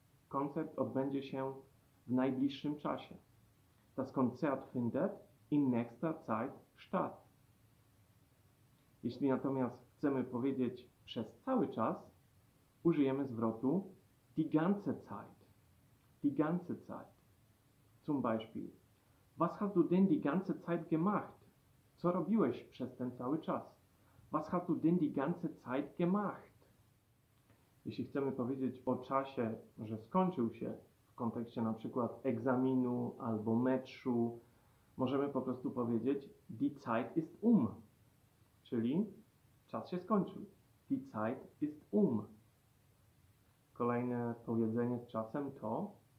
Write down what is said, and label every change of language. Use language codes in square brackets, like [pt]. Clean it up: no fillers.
[pl] Koncert odbędzie się w najbliższym czasie. [de] Das Konzert findet in nächster Zeit statt. [pl] Jeśli natomiast chcemy powiedzieć przez cały czas, użyjemy zwrotu [de] die ganze Zeit. Die ganze Zeit. Zum Beispiel. Was hast du denn die ganze Zeit gemacht? [pl] Co robiłeś przez ten cały czas? [de] Was hast du denn die ganze Zeit gemacht? [pl] Jeśli chcemy powiedzieć o czasie, że skończył się, w kontekście na przykład egzaminu albo meczu, możemy po prostu powiedzieć [de] die Zeit ist um. [pl] Czyli czas się skończył. [de] Die Zeit ist um. [pl] Kolejne powiedzenie z czasem to